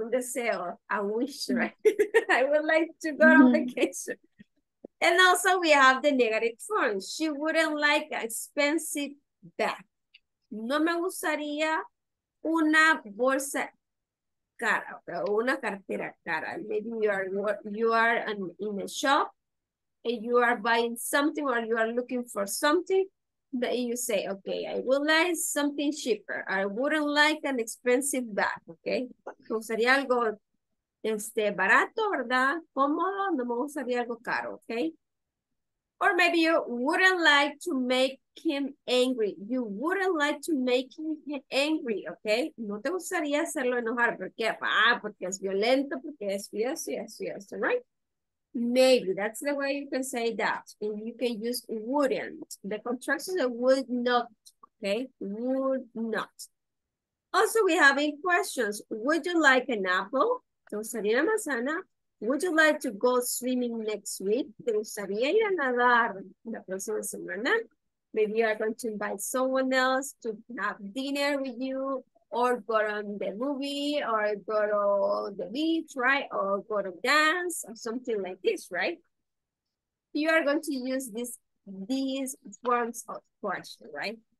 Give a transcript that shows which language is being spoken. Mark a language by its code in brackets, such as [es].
[es] Un deseo. [en] I wish, right? I would like to go on vacation. And also we have the negative form. She wouldn't like an expensive bag. [es] No me gustaría una bolsa cara o una cartera cara. [en] Maybe you are in a shop and you are buying something or you are looking for something. That you say, okay, I would like something cheaper. I wouldn't like an expensive bag, okay? [es] Me gustaría algo barato, ¿verdad? Cómodo, no me gustaría algo caro, okay? [en] Or maybe you wouldn't like to make him angry. You wouldn't like to make him angry, okay? [es] No te gustaría hacerlo enojar, ¿por qué? Ah, porque es violento, porque es fierce, yes, right? [en] Maybe that's the way you can say that, and you can use wouldn't. The contraction of would not, okay? Would not. Also, we have in questions: Would you like an apple? [es] ¿Te gustaría una manzana? [en] Would you like to go swimming next week? [es] ¿Te gustaría ir a nadar la próxima semana? [en] Maybe you are going to invite someone else to have dinner with you, or go on the movie, or go to the beach, right? Or go to dance, or something like this, right? You are going to use these forms of question, right?